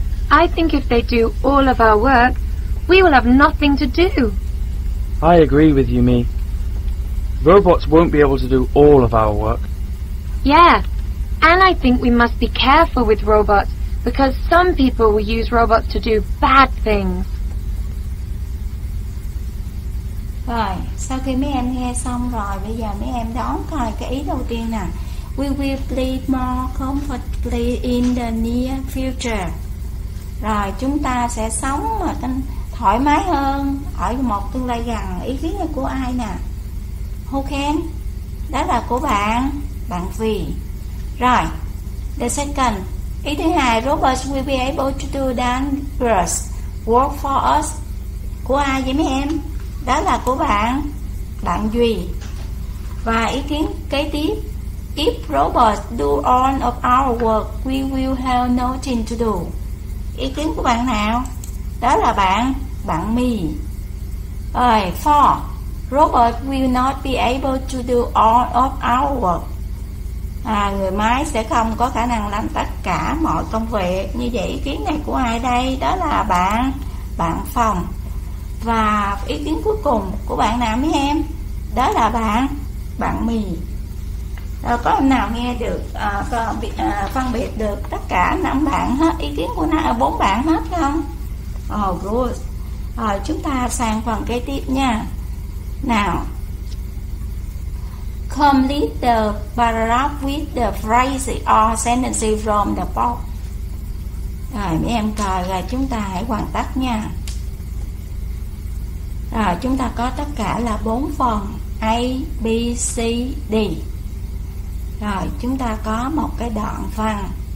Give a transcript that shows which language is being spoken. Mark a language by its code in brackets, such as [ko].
[en] I think if they do all of our work, we will have nothing to do. I agree with you, Mi. Robots won't be able to do all of our work. Yeah. And I think we must be careful with robots because some people will use robots to do bad things. [vi] Rồi, sau khi mấy em nghe xong rồi, bây giờ mấy em đón coi cái ý đầu tiên nè. [en] We will live more comfortably in the near future. [vi] Rồi, chúng ta sẽ sống thoải mái hơn ở một tương lai gần. Ý kiến là của ai nè? [en] Who can? [vi] Đó là của bạn, bạn Vì. [en] Rồi, the second, [vi] ý thứ hai, [en] robots will be able to do dangerous work for us. [vi] Của ai vậy mấy em? Đó là của bạn, bạn Duy. Và ý kiến kế tiếp, [en] if robots do all of our work, we will have nothing to do. [vi] Ý kiến của bạn nào? Đó là bạn Mi. [en] Rồi, four, robots will not be able to do all of our work. [vi] Người máy sẽ không có khả năng làm tất cả mọi công việc. Như vậy ý kiến này của ai đây? Đó là bạn Phòng. Và ý kiến cuối cùng của bạn nào mấy em? Đó là bạn Mì. Rồi có nào nghe được phân biệt được tất cả năm bạn hết, ý kiến của bốn bạn hết không? [en] Oh good. [vi] Rồi chúng ta sang phần kế tiếp nha. [en] Nào, complete the paragraph with the phrase or sentence from the book. [vi] Rồi mấy em coi là chúng ta hãy hoàn tất nha. Rồi chúng ta có tất cả là 4 phần A, B, C, D. Rồi chúng ta có một cái đoạn văn.